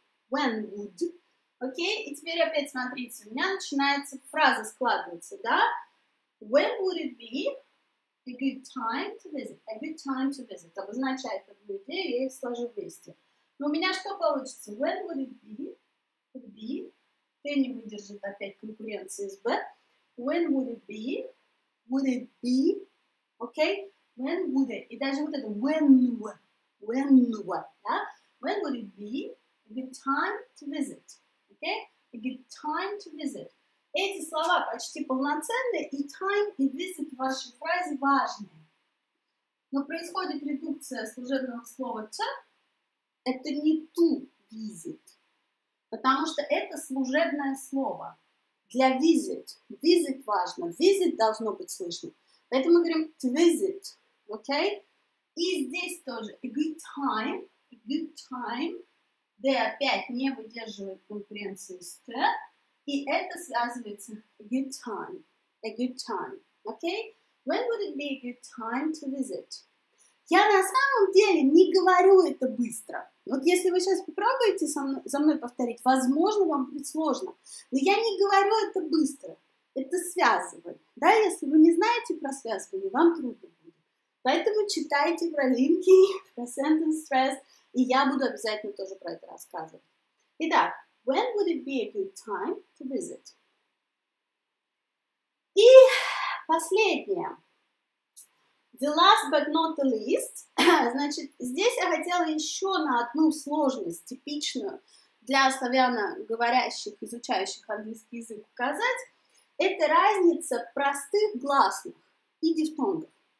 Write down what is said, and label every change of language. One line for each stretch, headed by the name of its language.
English: When would,
Russian: окей, и теперь опять смотрите, у меня начинается фраза складываться, да?
English: When would it be a good time to visit? A good time to visit
Russian: обозначает одну идею, я их сложу вместе. Но у меня что получится?
English: When would it be? Would be?
Russian: Не выдержит опять конкуренции с B.
English: When would it be? Would it be? Okay? When would it?
Russian: И даже вот это
English: when. When what? Да? When would it be? A good time to visit. Okay? A good time to visit.
Russian: Эти слова почти полноценные, и time, и visit в вашей фразе важны. Но происходит редукция служебного слова to. Это не
English: to visit.
Russian: Потому что это служебное слово для visit. Visit важно. Visit должно быть слышно. Поэтому мы говорим
English: to visit.
Russian: Okay? И здесь тоже
English: a good time. A good time.
Russian: D опять не выдерживает конкуренции с T. И это связывается
English: a good time. A good time. Okay? When would it be a good time to visit?
Russian: Я на самом деле не говорю это быстро. Вот если вы сейчас попробуете со мной повторить, возможно, вам будет сложно. Но я не говорю это быстро. Это связывает. Да, если вы не знаете про связывание, вам трудно будет. Поэтому читайте про линки, про sentence stress, и я буду обязательно тоже про это рассказывать.
English: Итак, when would it be a good time to visit?
Russian: И последнее.
English: The last but not the least,
Russian: значит, здесь я хотела еще на одну сложность типичную для славяноговорящих, изучающих английский язык указать. Это разница простых гласных и дифтонгов.